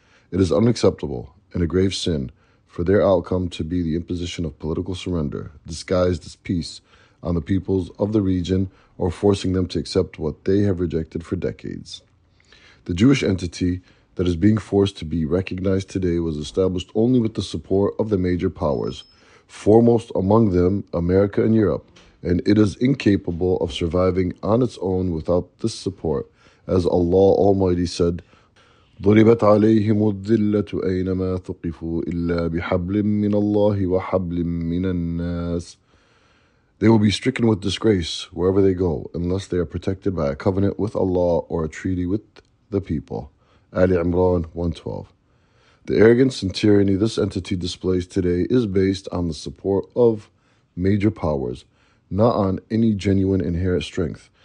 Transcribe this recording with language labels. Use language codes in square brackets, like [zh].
[en] It is unacceptable and a grave sin for their outcome to be the imposition of political surrender, disguised as peace, on the peoples of the region or forcing them to accept what they have rejected for decades. The Jewish entity that is being forced to be recognized today was established only with the support of the major powers, foremost among them America and Europe, and it is incapable of surviving on its own without this support. As Allah Almighty said, [ar] ضُرِبَتْ عَلَيْهِمُ الذِّلَّةُ أَيْنَمَا ثُقِفُوا إِلَّا بِحَبْلٍ مِّنَ اللَّهِ وَحَبْلٍ مِّنَ النَّاسِ. [en] They will be stricken with disgrace wherever they go, unless they are protected by a covenant with Allah or a treaty with the people. Ali Imran 1:12. The arrogance and tyranny this entity displays today is based on the support of major powers, not on any genuine inherent strength.